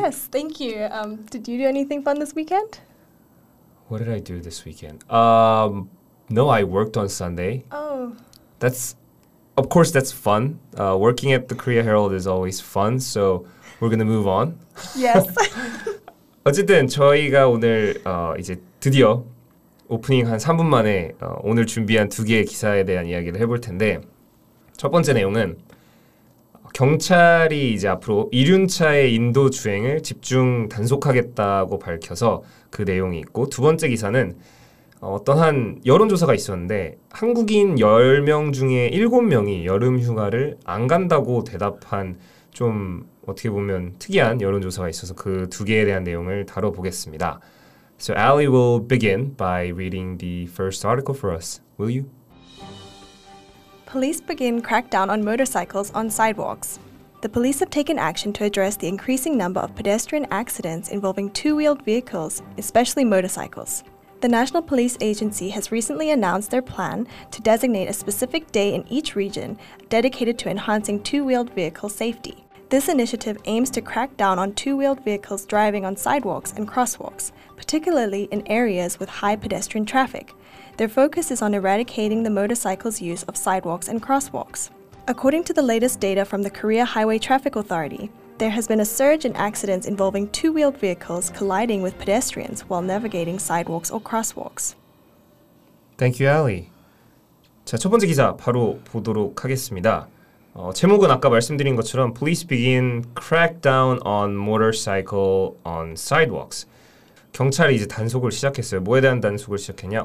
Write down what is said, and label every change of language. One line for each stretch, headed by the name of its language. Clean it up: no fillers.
English: Yes, thank you. Did you do anything fun this weekend? What did I do this weekend? No, I worked on Sunday. Oh. Of course, that's fun. Working at the Korea Herald is always fun, so we're going to move on. Yes.
Korean: 어쨌든 저희가 오늘 이제 드디어 오프닝 한 3분 만에 오늘 준비한 두 개의 기사에 대한 이야기를 해볼 텐데 첫 번째 내용은 경찰이 이제 앞으로 이륜차의 인도 주행을 집중 단속하겠다고 밝혀서 그 내용이 있고 두 번째 기사는 어떤 한 여론조사가 있었는데 한국인 10명 중에 7명이 여름휴가를 안 간다고 대답한 좀 어떻게 보면 특이한 여론조사가 있어서 그 두 개에 대한 내용을 다뤄보겠습니다.
English: So Ali will begin by reading the first article for us, will you? Police begin crackdown on motorcycles on sidewalks. The police have taken action to address the increasing number of pedestrian accidents involving two-wheeled vehicles, especially motorcycles. The National Police Agency has recently announced their plan to designate a specific day in each region dedicated to enhancing two-wheeled vehicle safety. This initiative aims to crack down on two-wheeled vehicles driving on sidewalks and crosswalks, particularly in areas with high pedestrian traffic. Their focus is on eradicating the motorcycles' use of sidewalks and crosswalks. According to the latest data from the Korea Highway Traffic Authority, there has been a surge in accidents involving two-wheeled vehicles colliding with pedestrians while navigating sidewalks or crosswalks. Thank you, Ali.
Korean: 자, 첫 번째 기사 바로 보도록 하겠습니다. 제목은 아까 말씀드린 것처럼
English: Police begin crackdown on motorcycle on sidewalks.
Korean: 경찰이 이제 단속을 시작했어요. 뭐에 대한 단속을 시작했냐?